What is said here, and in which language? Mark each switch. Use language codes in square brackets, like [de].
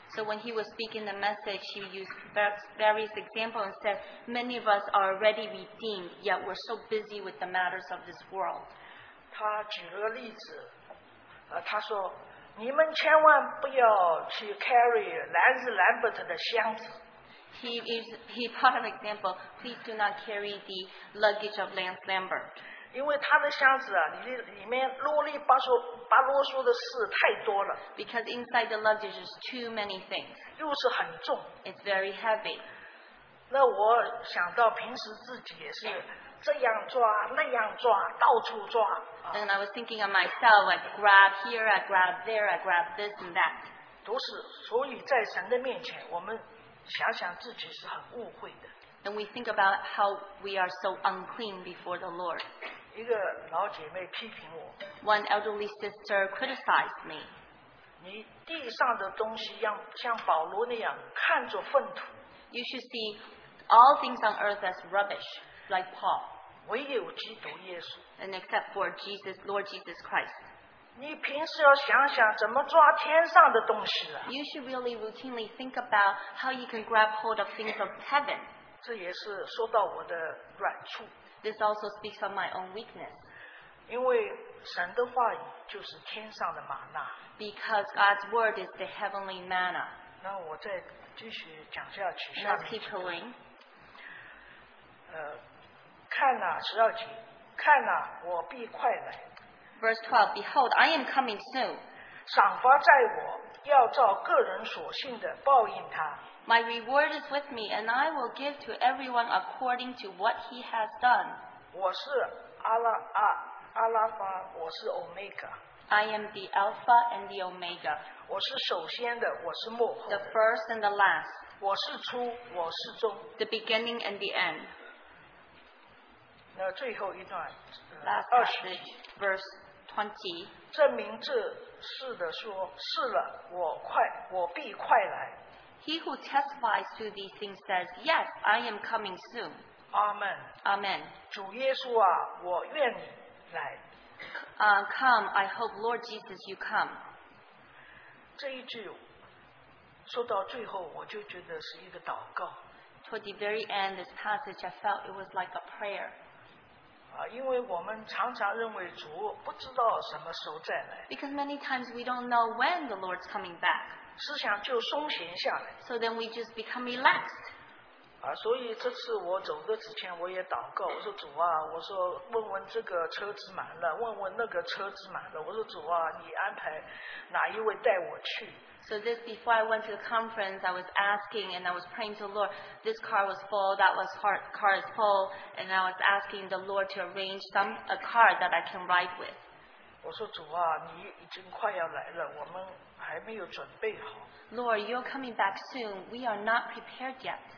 [en] So when he was speaking the message, he used various examples and said, many of us are already redeemed, yet we're so busy with the matters of this world. [zh] 他举了例子，他说，你们千万不要去 carry 兰斯兰伯特的箱子。 [en] He put an example, please do not carry the luggage of Lance Lambert. [zh] 因为他的箱子啊，里面啰里吧嗦。巴啰嗦的事太多了。 [en] Because inside the luggage is too many things. [zh] 又是很重。 [en] It's very heavy. [zh] 那我想到平时自己也是这样抓那样抓到处抓。 [en] And I was thinking of myself, I grab here, I grab there, I grab this and that. [zh] 都是，所以在神的面前，我们想想自己是很误会的。 [en] And we think about how we are so unclean before the Lord. [zh] 一个老姐妹批评我。 [en] One elderly sister criticized me. [zh] 你地上的东西要像保罗那样看作粪土。 [en] You should see all things on earth as rubbish, like Paul. [zh] 唯有基督耶稣。 [en] And except for Jesus, Lord Jesus Christ. [zh] 你平时要想想怎么抓天上的东西了。 [en] You should really routinely think about how you can grab hold of things of heaven. [zh] 这也是说到我的软处。 [en] This also speaks of my own weakness. [zh] 因为神的话语就是天上的玛纳。 [en] Because God's word is the heavenly manna. [zh] 那我再继续讲下去。 [en] Now keep going. [zh] 看哪，十二节，看哪，我必快来。 [en] Verse 12, Behold, I am coming soon. [zh] 赏罚在我，要照个人所信的报应他。 [en] My reward is with me, and I will give to everyone according to what he has done. [zh] 我是阿拉法，我是 Omega. [en] I am the Alpha and the Omega. [zh] 我是首先的，我是末后的。 [en] The first and the last. [zh] 我是初，我是终。 [en] The beginning and the end. [zh] 那最后一段 [en] ，last passage, verse 20. [zh] 证明这事的说，是了，我必快来。 [en] He who testifies to these things says, Yes, I am coming soon. Amen. Amen. [zh] 主耶稣啊，我愿你来。 [en] Come, I hope, Lord Jesus, you come. [zh] 这一句说到最后，我就觉得是一个祷告。 [en] Toward the very end, this passage, I felt it was like a prayer. [zh] 因为我们常常认为主不知道什么时候再来。 [en] Because many times we don't know when the Lord's coming back. [zh] 思想就松懈下来。 [en] So then we just become relaxed. [zh] 所以这次我走的之前我也祷告，我说主啊，我说问问这个车子满了，问问那个车子满了，我说主啊，你安排哪一位带我去。 [en] So this before I went to the conference, I was asking and I was praying to the Lord, this car was full, that was car is full, and I was asking the Lord to arrange a car that I can ride with. [zh] 我说主啊，你已经快要来了，我们还没有准备好。 [en] Lord, you're coming back soon, we are not prepared yet.